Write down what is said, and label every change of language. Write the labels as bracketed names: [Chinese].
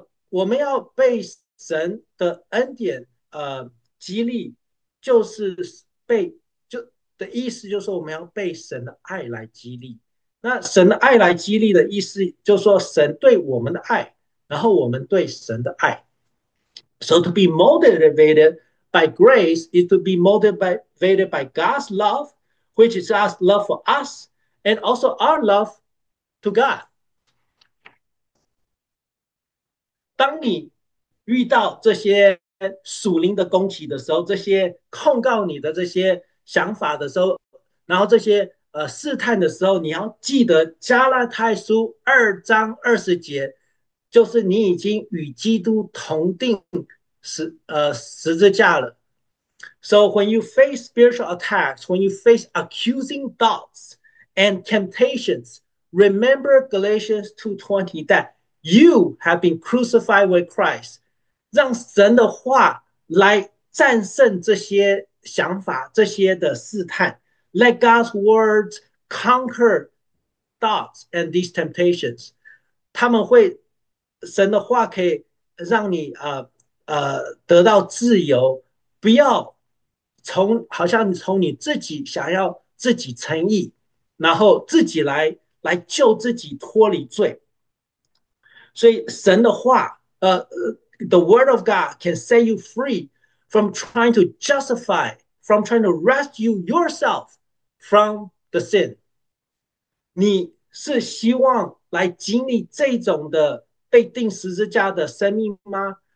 [Chinese] 我们要被神的恩典激励，就是被就的意思就是我们要被神的爱来激励。那神的爱来激励的意思，就是说神对我们的爱，然后我们对神的爱。 [English] So to be motivated by grace is to be motivated by God's love, which is God's love for us, and also our love to God. [Chinese] 当你遇到这些属灵的攻击的时候，这些控告你的这些想法的时候，然后这些试探的时候，你要记得加拉太书2章20节，就是你已经与基督同定。十字架了。 [English] So when you face spiritual attacks, when you face accusing thoughts and temptations, remember Galatians 2:20 that you have been crucified with Christ. [Chinese] 让神的话来战胜这些想法、这些的试探。 [English] Let God's word conquer doubts and these temptations。 [Chinese] 他们会，神的话可以让你得到自由，不要从好像你从你自己想要自己称义，然后自己来救自己脱离罪。所以神的话， [English] The word of God can set you free from trying to justify, from trying to rescue yourself from the sin。 [Chinese] 你是希望来经历这种的被钉十字架的生命吗？